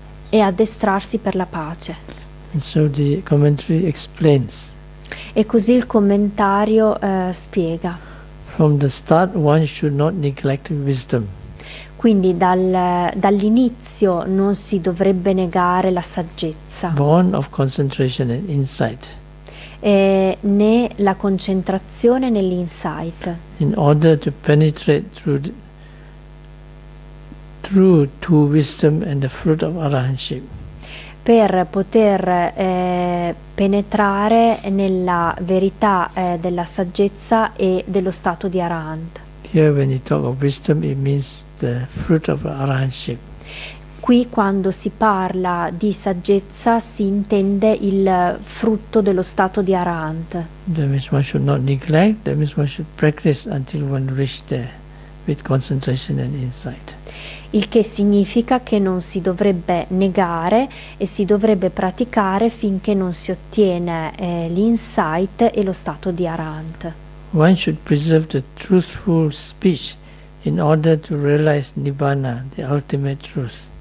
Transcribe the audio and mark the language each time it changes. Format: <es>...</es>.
<it>e addestrarsi per la pace.</it> <en>So the commentary explains.</en> <it>E così il commentario spiega.</it> <en>From the start, one should not neglect wisdom.</en> <it>Quindi dall'inizio non si dovrebbe negare la saggezza.</it> <en>Born of concentration and insight.</en> <it>Né la concentrazione né l'insight.</it> <en>In order to penetrate through to wisdom and the fruit of arahantship.</en> <it>Per poter penetrare nella verità della saggezza e dello stato di Arahant.</it> <en>Here when you talk of wisdom, it means the fruit of arahantship.</en> <it>Qui quando si parla di saggezza si intende il frutto dello stato di Arahant.</it> <en>That means one should not neglect, that means one should practice until one reaches there with concentration and insight.</en> <it>Il che significa che non si dovrebbe negare e si dovrebbe praticare finché non si ottiene l'insight e lo stato di Arahant.</it> <en>One should preserve the truthful speech in order to realize Nibbana, the ultimate truth.</en>